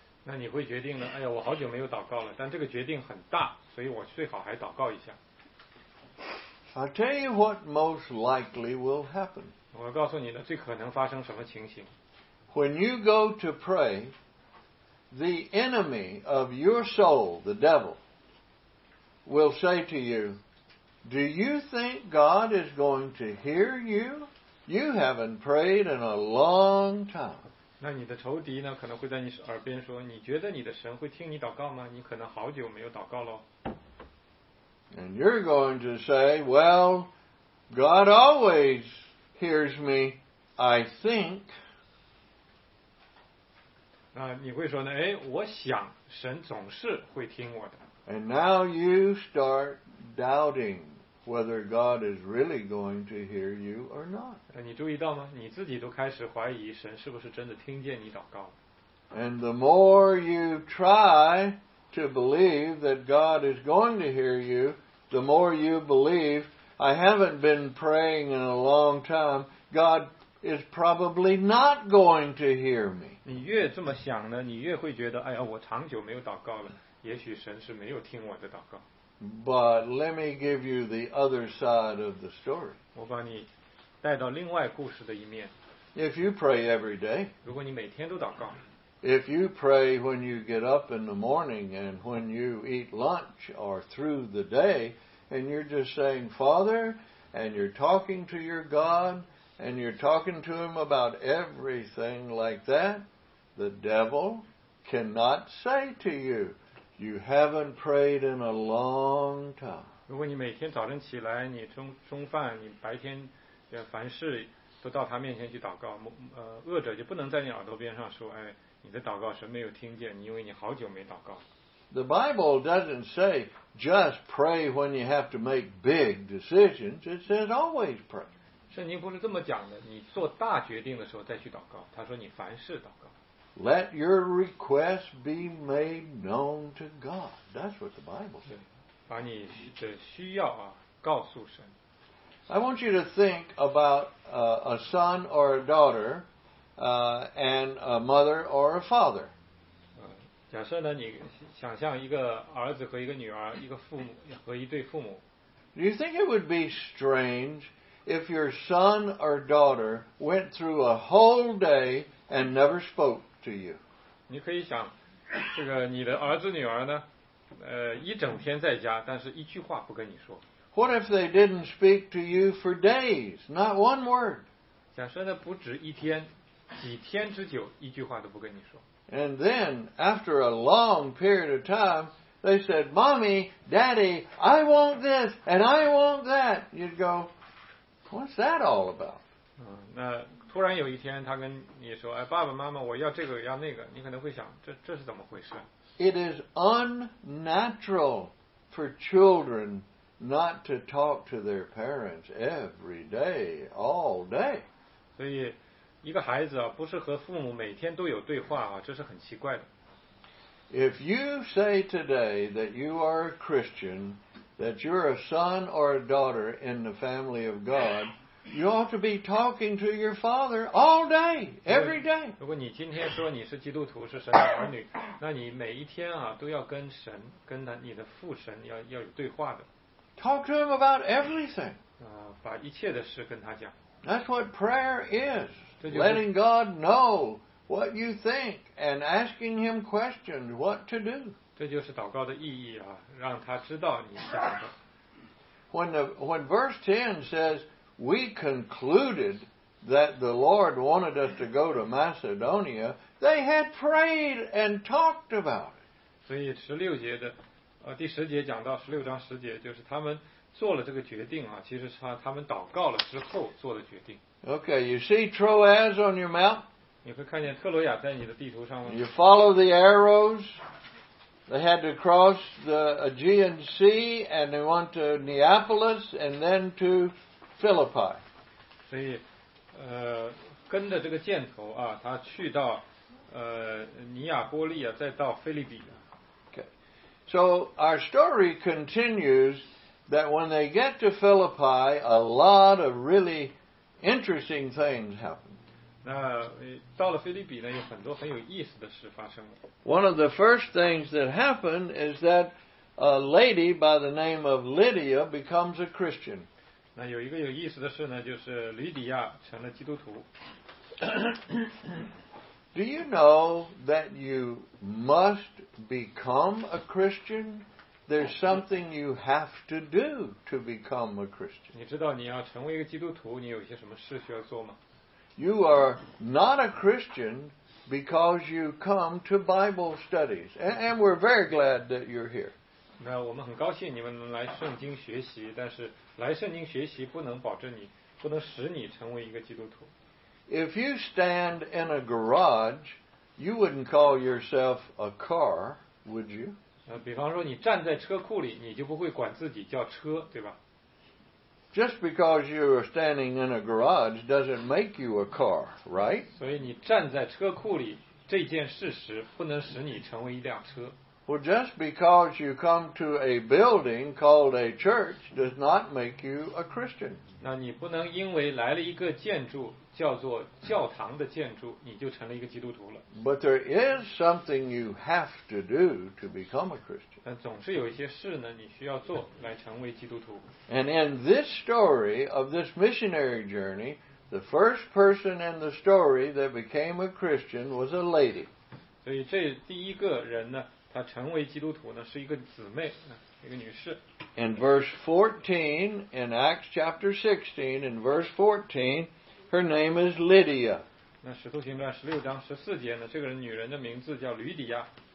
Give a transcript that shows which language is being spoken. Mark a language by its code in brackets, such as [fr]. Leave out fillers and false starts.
[zh] 那你会决定呢，哎呀，我好久没有祷告了，但这个决定很大，所以我最好还祷告一下。 [en] I'll tell you what most likely will happen. [zh] 我告诉你呢，最可能发生什么情形。 [en] When you go to pray, the enemy of your soul, the devil, will say to you, "Do you think God is going to hear you? You haven't prayed in a long time." [zh] 那你的仇敌呢，可能会在你耳边说，你觉得你的神会听你祷告吗？你可能好久没有祷告咯。 [en] And you're going to say, "Well, God always hears me, I think." [zh] 你会说呢，哎，我想神总是会听我的。 [en] And now you start doubting whether God is really going to hear you or not. [zh] 你注意到吗？你自己都开始怀疑神是不是真的听见你祷告了。 [en] And the more you try to believe that God is going to hear you, the more you believe, I haven't been praying in a long time, God is probably not going to hear me. [zh] 你越这么想呢，你越会觉得，哎呀，我长久没有祷告了。也许神是没有听我的祷告。 [en] But let me give you the other side of the story. [zh] 我把你带到另外故事的一面。 [en] If you pray every day, [zh] 如果你每天都祷告。 [en] If you pray when you get up in the morning and when you eat lunch or through the day, and you're just saying, Father, and you're talking to your God, and you're talking to Him about everything like that, the devil cannot say to you, You haven't prayed in a long time. [zh] 如果你每天早晨起来，你中饭，你白天凡事都到他面前去祷告，恶者就不能在你耳朵边上说，哎，你的祷告神没有听见，因为你好久没祷告。 [en] The Bible doesn't say just pray when you have to make big decisions. It says always pray. [zh] 圣经不是这么讲的，你做大决定的时候再去祷告。他说你凡事祷告。 [en] Let your request be made known to God. That's what the Bible says. [zh] 把你的需要啊告诉神。 [en] I want you to think about a son or a daughter, and a mother or a father. [zh] 假设呢，你想象一个儿子和一个女儿，一个父母和一对父母。 [en] Do you think it would be strange if your son or daughter went through a whole day and never spoke? To you. [zh] 你可以想，这个你的儿子女儿呢，一整天在家，但是一句话不跟你说。 [en] What if they didn't speak to you for days? Not one word. [zh] 假设呢，不止一天，几天之久，一句话都不跟你说。 [en] And then, after a long period of time, they said, "Mommy, Daddy, I want this and I want that." You'd go, "What's that all about?" [zh] 那突然有一天他跟你说、哎、爸爸妈妈我要这个要那个你可能会想 这是怎么回事 [en] It is unnatural for children not to talk to their parents every day, all day [zh] 所以一个孩子、啊、不是和父母每天都有对话、啊、这是很奇怪的 [en] If you say today that you are a Christian that you're a son or a daughter in the family of God You ought to be talking to your father all day, every day. [zh] 如果你今天说你是基督徒，是神的儿女，那你每一天啊都要跟神，跟你的父神要有对话的。 [en] Talk to him about everything. [zh] 把一切的事跟他讲。 [en] That's what prayer is. Letting God know what you think and asking him questions what to do. [zh] 这就是祷告的意义啊，让他知道你想的。 [en] When verse 10 says, We concluded that the Lord wanted us to go to Macedonia. They had prayed and talked about it. [zh] 所以十六节的，第十节讲到十六章十节，就是他们做了这个决定啊。其实是他们祷告了之后做的决定。 [en] Okay, you see Troas on your map. [zh] 你会看见特罗亚在你的地图上吗 [en] ？You follow the arrows. They had to cross the Aegean Sea, and they went to Neapolis, and then to Philippi. [zh] 所以，跟着这个箭头啊，他去到尼亚波利啊，再到腓立比。 [en] Okay. So our story continues that when they get to Philippi, a lot of really interesting things happen. [zh] 那到了腓立比呢，有很多很有意思的事发生了。 [en] One of the first things that happened is that a lady by the name of Lydia becomes a Christian. [zh] 那有一个有意思的事呢，就是吕底亚成了基督徒。 [en] Do you know that you must become a Christian? There's something you have to do to become a Christian. [zh] 你知道你要成为一个基督徒，你有些什么事需要做吗 [en] ？You are not a Christian because you come to Bible studies, and we're very glad that you're here. [zh] 那我们很高兴你们能来圣经学习，但是。来圣经学习不能保证你，不能使你成为一个基督徒。 [en] If you stand in a garage You wouldn't call yourself a car, would you? [zh] 比方说你站在车库里，你就不会管自己叫车，对吧？ [en] Just because you are standing in a garage doesn't make you a car, right? [zh] 所以你站在车库里这件事实不能使你成为一辆车。 [en] Well, just because you come to a building called a church does not make you a Christian. [zh] 那你不能因为来了一个建筑叫做教堂的建筑，你就成了一个基督徒了。 [en] But there is something you have to do to become a Christian. [zh] 但总是有一些事呢，你需要做来成为基督徒。 [en] And in this story of this missionary journey, the first person in the story that became a Christian was a lady. [zh] 所以这第一个人呢，她成为基督徒呢，是一个姊妹，一个女士。 [en] In verse 14, in Acts chapter 16, in verse 14,Her name is Lydia. [zh] 那使徒行传十六章十四节呢，这个女人的名字叫吕底亚。